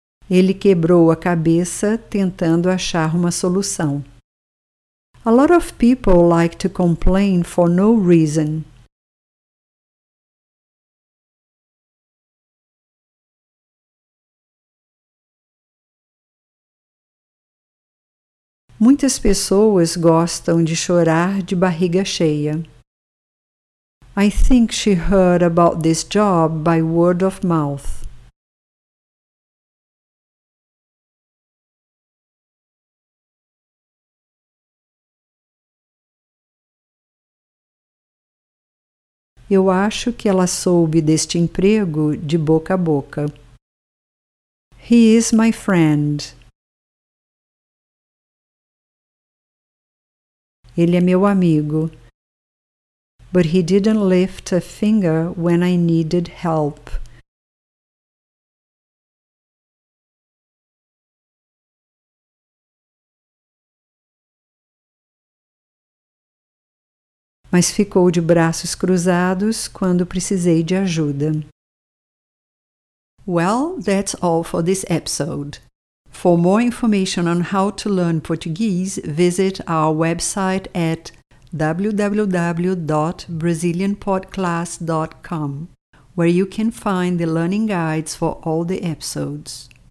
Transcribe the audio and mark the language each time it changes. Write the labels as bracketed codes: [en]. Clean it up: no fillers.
[pt] Ele quebrou a cabeça tentando achar uma solução. [en] A lot of people like to complain for no reason. [pt] Muitas pessoas gostam de chorar de barriga cheia. [en] I think she heard about this job by word of mouth. [pt] Eu acho que ela soube deste emprego de boca a boca. [en] He is my friend. [pt] Ele é meu amigo. [en] But he didn't lift a finger when I needed help. [pt] Mas ficou de braços cruzados quando precisei de ajuda. [en] Well, that's all for this episode. For more information on how to learn Portuguese, visit our website at www.brazilianpodclass.com, where you can find the learning guides for all the episodes.